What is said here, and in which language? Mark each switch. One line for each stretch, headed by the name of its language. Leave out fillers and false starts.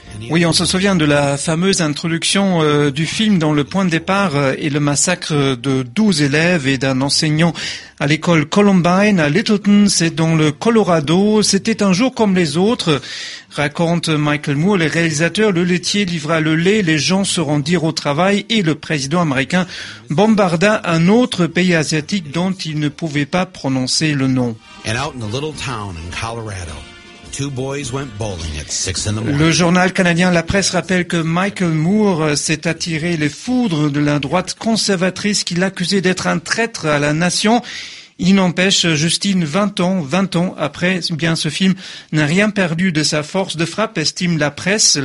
French: Oui, on se souvient de la fameuse introduction du film dont le point de départ est le massacre de 12 élèves et d'un enseignant à l'école Columbine à Littleton, c'est dans le Colorado. C'était un jour comme les autres, raconte Michael Moore, le réalisateur. Le laitier livra le lait, les gens se rendirent au travail et le président américain bombarda un autre pays asiatique dont il ne pouvait pas prononcer le nom.
English: And out in a little town in Colorado. Two boys went bowling at 6 in the morning.
French: Le journal canadien La Presse rappelle que Michael Moore s'est attiré les foudres de la droite conservatrice qui l'accusait d'être un traître à la nation. Il n'empêche, Justine, 20 ans après, bien, ce film n'a rien perdu de sa force de frappe, estime La Presse.